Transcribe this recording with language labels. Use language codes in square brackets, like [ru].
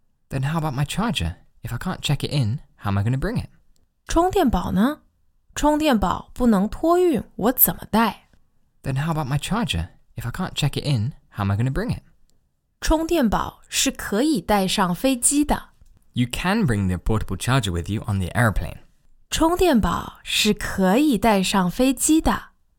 [en] Then how about my charger? If I can't check it in... How am I going to bring it? [zh] 充电宝呢？充电宝不能托运，我怎么带？ [en] Then how about my charger? If I can't check it in, how am I going to bring it? [zh] 充电宝是可以带上飞机的。 [en] You can bring the portable charger with you on the airplane. [zh] 充电宝是可以带上飞机的。